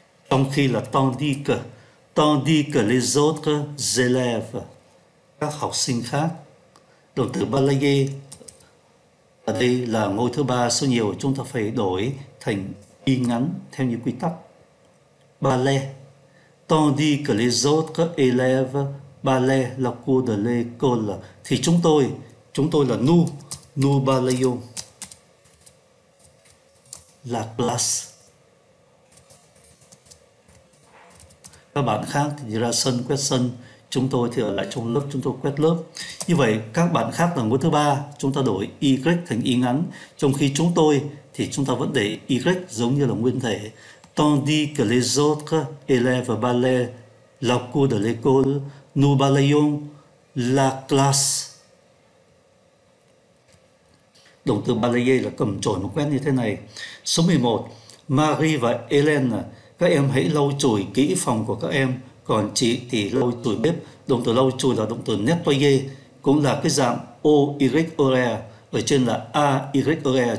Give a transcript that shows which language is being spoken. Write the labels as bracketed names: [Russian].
[Vietnamese] Trong khi là [French] tandis que les autres élèves, [Vietnamese] các học sinh khác. Động từ balayer ở đây là ngôi thứ ba số nhiều, chúng ta phải đổi thành y ngắn theo như quy tắc. [French] Balayer, tandis que les autres élèves balayer la cour de l'école, [Vietnamese] thì chúng tôi là [French] nous balayons la classe. [Vietnamese] Các bạn khác thì ra sân quét sân, chúng tôi thì ở lại trong lớp, chúng tôi quét lớp. Như vậy các bạn khác là ngôi thứ ba, chúng ta đổi y thành y ngắn, trong khi chúng tôi thì chúng ta vẫn để y giống như là nguyên thể. [French] Tandis que les autres élèves balayent la cour de l'école, nous balayons la classe. [Vietnamese] Động từ balayer là cầm chổi mà quét như thế này. Số 11, Marie và Hélène, các em hãy lau chùi kỹ phòng của các em, còn chị thì lau chùi bếp. Động từ lau chùi là động từ nettoyer, cũng là cái dạng o y re, ở trên là a y re.